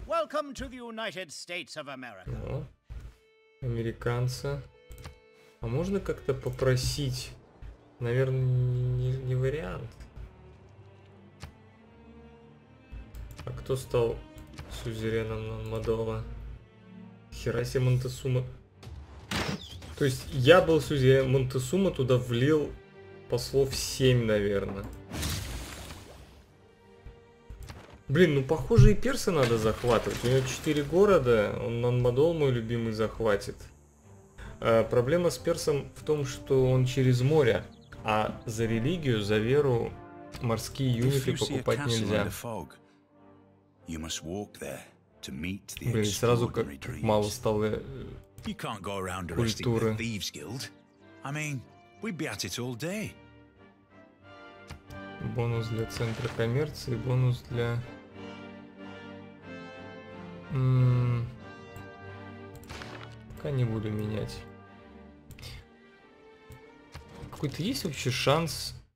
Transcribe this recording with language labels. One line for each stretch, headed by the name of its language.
English: Welcome to the United States of America.
Russian: О, американца. А можно как-то попросить... Наверное, не вариант. А кто стал сюзереном Нанмадола? Хераси Монтесума. То есть я был судья, Монтесума туда влил послов 7, наверное. Блин, ну похоже и персы надо захватывать. У него 4 города, он Нанмадол мой любимый захватит. А проблема с персом в том, что он через море, а за религию, за веру морские юниты покупать нельзя.
English: You must walk there to meet the extraordinary dreams.
Russian: Блин, сразу как мало стало культуры.
English: You can't go around arresting the thieves guild. I mean, we'd be at it all day.
Russian: Бонус для центра коммерции, бонус для... пока не буду менять. Какой-то есть вообще шанс...